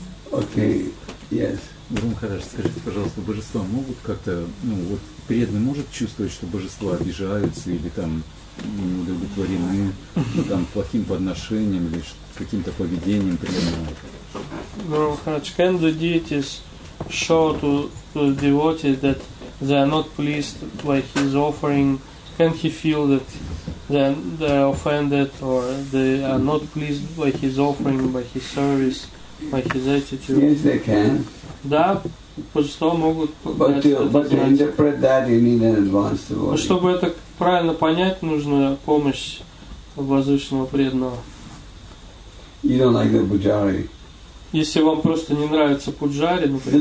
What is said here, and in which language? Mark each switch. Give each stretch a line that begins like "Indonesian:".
English: Okay. Yes.
Russian: Махарадж, скажите, пожалуйста, божества могут как-то, вот преданный может чувствовать, что божества обижаются или там удовлетворены там плохим подношением или каким-то поведением принимают?
English: Махарадж, can the deities show to the devotee that they are not pleased by his offering? Can he feel that they are offended or they are not pleased by his offering, by his service, by his attitude? Yes, they can.
Russian: Да, божества могут.
English: But to interpret that, you need an advanced devotee.
Russian: Чтобы это правильно понять, нужна помощь возвышенного преданного.
English: You don't like the pujari.
Russian: Если вам просто не нравится пуджари, например.